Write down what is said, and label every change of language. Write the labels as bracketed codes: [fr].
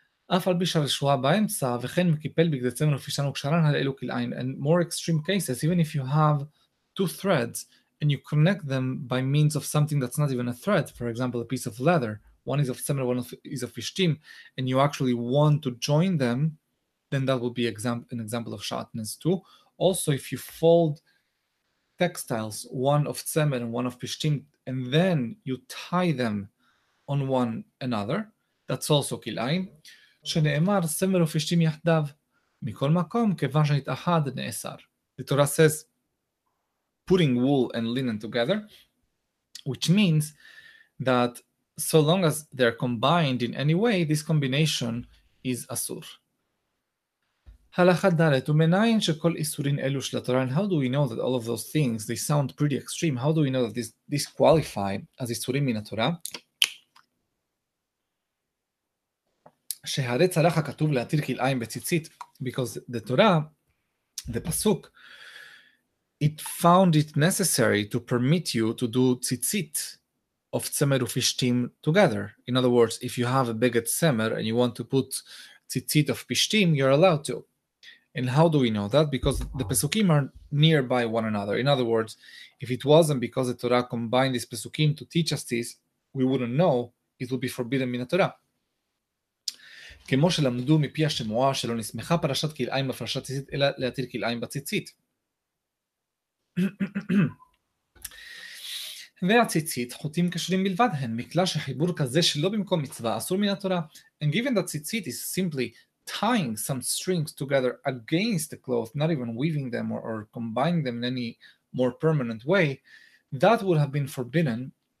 [en] And more extreme cases, even if you have two threads and you connect them by means of something that's not even a thread, for example, a piece of leather, one is of tzemer, one is of fishtim, and you actually want to join them, then that will be an example of shatnez too. Also, if you fold textiles, one of tzemer and one of fishtim, and then you tie them on one another, that's also kilayim. [he] שנאמר, סמר ופשטים יחדיו, מכל מקום, כיוון שהתאחד, נאסר. [en] The Torah says, putting wool and linen together, which means that so long as they're combined in any way, this combination is אסור. [he] הלכה דלת, ומניין שכל איסורים אלו של התורה, [en] and how do we know that all of those things, they sound pretty extreme, how do we know that this qualify as איסורים מן התורה? [he] שהרץ הלך הכתוב להתיר כלאיים בציצית, [en] because the Torah, the Pasuk, it found it necessary to permit you to do tzitzit of tzemer ופשטים together. In other words, if you have a bigot tzemer and you want to put tzitzit of pishtim, you're allowed to. And how do we know that? Because the Pesukim are nearby one another. In other words, if it wasn't because the Torah combined this Pesukim to teach us this, we wouldn't know, it would be forbidden in the Torah. [he] כמו שלמדו מפי השמועה שלא נסמכה פרשת כלאיים בפרשת ציצית, אלא להתיר כלאיים בציצית. והציצית חוטים קשרים בלבד הן, מקלע שחיבור כזה שלא במקום מצווה אסור מן התורה. [en] And given that ציצית is simply tying some strings together against the cloth, not even weaving them or combining them in any more permanent way, that would have been forbidden.